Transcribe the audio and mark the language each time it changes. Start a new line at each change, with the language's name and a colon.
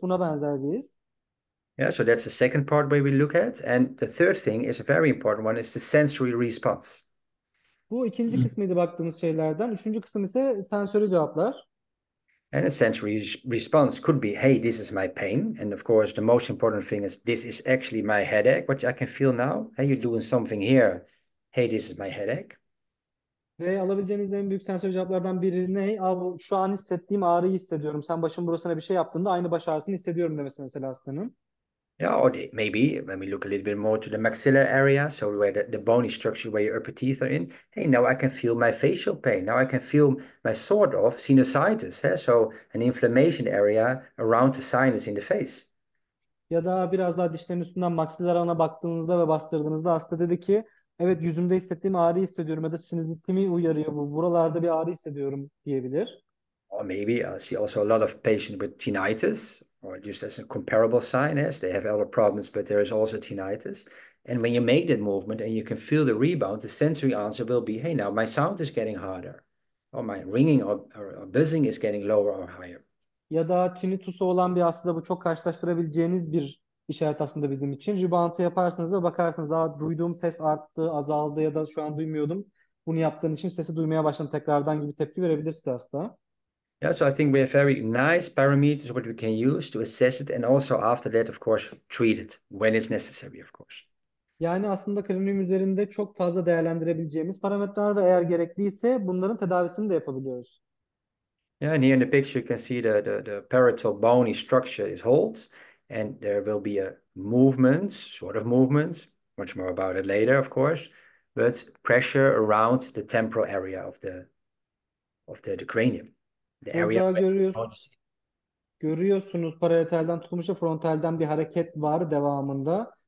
Turkish: Buna benzer bir his.
English: Yeah, so that's the second part where we look at. And the third thing is a very important one, is the sensory response.
Turkish: Bu ikinci kısmıydı baktığımız şeylerden. Üçüncü kısım ise sensörü cevaplar.
English: And a sensory response could be, hey, this is my pain. And of course, the most important thing is, this is actually my headache, which I can feel now. Hey, you're doing something here. Hey, this is my headache.
Turkish: Ve alabileceğiniz en büyük sensör cevaplardan biri ne? Abi, şu an hissettiğim ağrıyı hissediyorum. Sen başın burasına bir şey yaptığında aynı baş ağrısını hissediyorum demesi mesela hastanın.
English: Yeah, or maybe when we look a little bit more to the maxillary area, so where the bony structure where your upper teeth are in, hey, now I can feel my facial pain. Now I can feel my sort of sinusitis, yeah? So an inflammation area around the sinus in the face.
Turkish: Ya da biraz daha dişlerin üstünden maksalar alana baktığınızda ve bastırdığınızda hasta dedi ki evet, yüzümde hissettiğim ağrıyı hissediyorum ya da sinüzitimi uyarıyor bu. Buralarda bir ağrı hissediyorum diyebilir.
English: Or maybe I see also a lot of patients with tinnitus. Or just as a comparable sign, as they have other problems, but there is also tinnitus. And when you make that movement and you can feel the rebound, the sensory answer will be, hey, now my sound is getting harder, or my ringing or buzzing is getting lower or higher.
Turkish: Ya da tinnitus'u olan bir hastada bu çok karşılaştırabileceğiniz bir işaret aslında bizim için. Rebound'ı yaparsanız da bakarsınız daha duyduğum ses arttı, azaldı ya da şu an duymuyordum. Bunu yaptığın için sesi duymaya başladım tekrardan gibi tepki verebilirsiniz hasta.
English: Yeah, so I think we have very nice parameters what we can use to assess it and also after that, of course, treat it when it's necessary, of course.
Turkish: Yani aslında kraniyum üzerinde çok fazla değerlendirebileceğimiz parametreler ve eğer gerekliyse bunların tedavisini de yapabiliyoruz.
English: Yeah, and here in the picture you can see the parietal bony structure is whole and there will be a movement, sort of movement, much more about it later, of course, but pressure around the temporal area of the cranium. The area
Turkish: Burada
English: where
Turkish: görüyorsunuz parietalden tutmuş da frontalden bir hareket var devamında.